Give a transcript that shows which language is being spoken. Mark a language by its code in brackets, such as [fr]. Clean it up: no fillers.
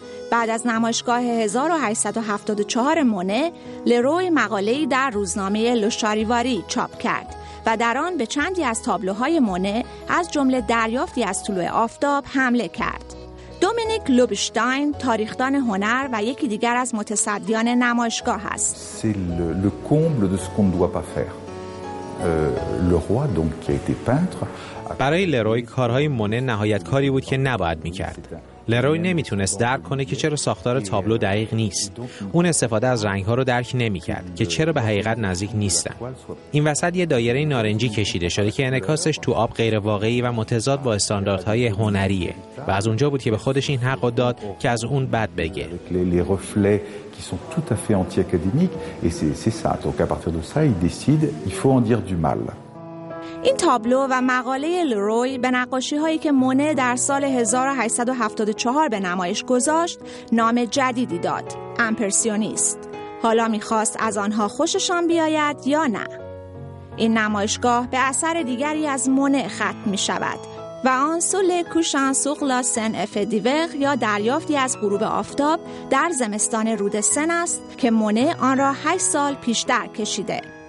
[fa] بعد از نمایشگاه 1874 مونه، لروی مقاله‌ای در روزنامه لوشاریواری چاپ کرد و در آن به چندی از تابلوهای مونه از جمله دریافتی از طلوع آفتاب حمله کرد. دومینیک لوبشتاین تاریخ‌دان هنر و یکی دیگر از متصدیان نمایشگاه است. [fr] le comble de ce qu'on doit pas faire. Le roi donc qui a été peintre. [fa] برای لروی کارهای مونه نهایت کاری بود که نباید می‌کرد. لروی نمیتونست درک کنه که چرا ساختار تابلو دقیق نیست. اون استفاده از رنگ‌ها رو درک نمی‌کرد که چرا به حقیقت نزدیک نیستن. این وسط یه دایره نارنجی کشیده شده که انعکاسش تو آب غیر واقعی و متضاد با استانداردهای هنریه و از اونجا بود که به خودش این حق رو داد که از اون بد بگه. [fr] qui sont tout à fait anti-académiques et c'est ça donc à partir de ça il décide il faut en dire du mal. [fa] این تابلو و مقاله لروی به نقاشی‌هایی که مونه در سال 1874 به نمایش گذاشت نام جدیدی داد، امپرسیونیست. حالا می‌خواست از آنها خوششان بیاید یا نه. این نمایشگاه به اثر دیگری از مونه ختم می‌شود و آن سول کوشان سوغ لا سن اف دیوغ یا دریافتی از غروب آفتاب در زمستان رود سن است که مونه آن را 8 سال پیشتر کشیده.